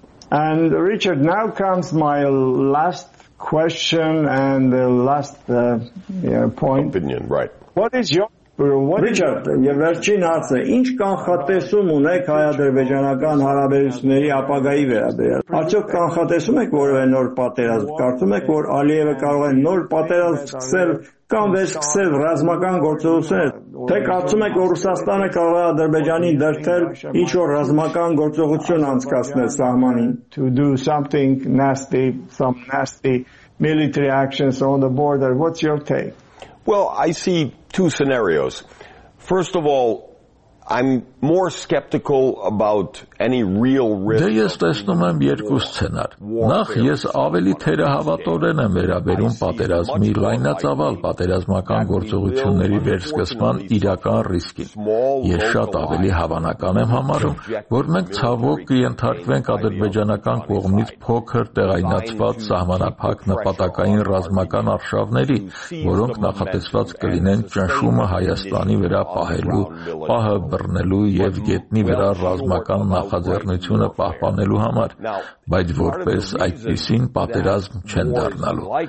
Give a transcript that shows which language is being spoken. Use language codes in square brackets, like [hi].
[en] And Richard, now comes my last question and the last point. Opinion, right. What is your [hy] Richard, եւ վերջին հարցը, ինչ կանխատեսում ունեք հայ-ադրբեջանական հարաբերությունների ապագայի վերաբերյալ։ Արդյոք կանխատեսում եք որևէ նոր պատերազմ, կարծում եք, որ Ալիևը կարող է նոր պատերազմ սկսել կամ վերսկսել ռազմական գործողություններ, թե կարծում եք, որ Ռուսաստանը կարող է Ադրբեջանին դրդել ինչ որ ռազմական գործողություն անցկացնել սահմանին, [en] to do something nasty, some nasty military actions on the border. What's your take? Well, I see two scenarios. First of all, I'm more skeptical about any real risk. [hy] Դե ես տեսնում եմ երկու սցենար։ Նախ, ես ավելի թերահավատորեն եմ վերաբերում պատերազմի լայնածավալ պատերազմական գործողությունների վերսկսման իրական ռիսկին։ Ես շատ ավելի հավանական եմ համարում, որ մենք ցավոք կընդհարկվենք ադրբեջանական կողմից փոքր տեղայնացված սահմանափակ նպատակային ռազմական արշավների, որոնք նախատեսված կլինեն ճնշումը Հայաստանի վրա պահելու, պահը բռնելու և գետնի վրա ռազմական նախաձեռնությունը պահպանելու համար, բայց որպես այդպիսին պատերազմ չեն դառնալու։